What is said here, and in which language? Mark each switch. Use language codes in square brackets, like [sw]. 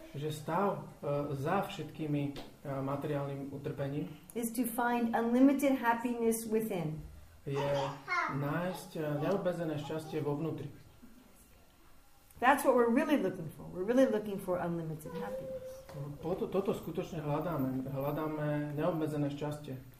[sk] že stav za všetkými materiálnym utrpením, [en] is to find unlimited happiness within. [sk] Je nájsť neobmedzené šťastie vo vnútri. [en] That's what we're really looking for. We're really looking for unlimited happiness. [sk] Toto skutočne hľadáme. Hľadáme neobmedzené šťastie.